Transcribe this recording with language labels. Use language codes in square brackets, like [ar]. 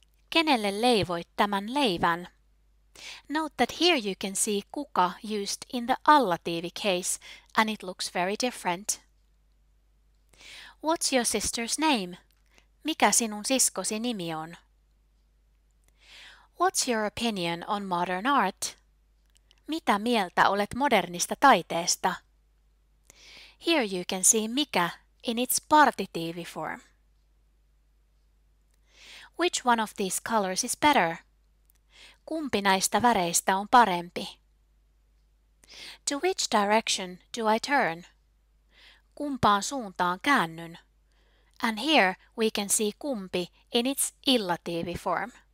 [fi] Kenelle leivoit tämän leivän? [en] Note that here you can see kuka used in the allative case, and it looks very different. What's your sister's name? [fi] Mikä sinun siskosi nimi on? [en] What's your opinion on modern art? [fi] Mitä mieltä olet modernista taiteesta? [en] Here you can see mikä in its partitive form. Which one of these colors is better? [fi] Kumpi näistä väreistä on parempi? [en] To which direction do I turn? [fi] Kumpaan suuntaan käännyn? [en] And here we can see kumpi in its illative form.